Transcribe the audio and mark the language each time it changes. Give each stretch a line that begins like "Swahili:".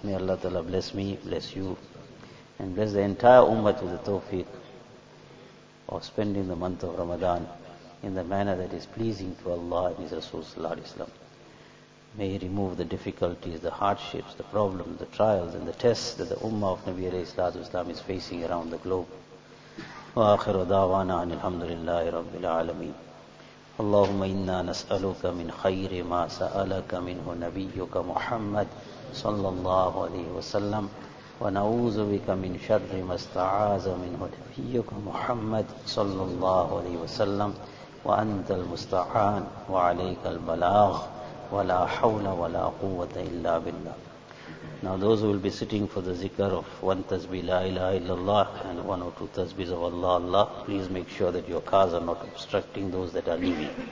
English: May Allah Ta'ala bless me, bless you, and bless the entire ummah with the tawfiq of spending the month of Ramadan in the manner that is pleasing to Allah and His Rasul Sallallahu Alaihi Wasallam. May He remove the difficulties, the hardships, the problems, the trials and the tests that the ummah of Nabi Alayhi Sallallahu Alaihi Wasallam is facing around the globe.
Arabic: Wa akhiru da'wana alhamdulillahi rabbil alameen. اللهم إنا نسألك من خير ما سألك منه نبيك محمد صلى الله عليه وسلم ونعوذ بك من شر ما استعاذ منه نبيك محمد صلى الله عليه وسلم وأنت المستعان وعليك البلاغ ولا حول ولا قوة إلا بالله.
English: Now those who will be sitting for the zikr of one tasbih la ilaha illallah and one or two tasbihs of Allah Allah, please make sure that your cars are not obstructing those that are leaving.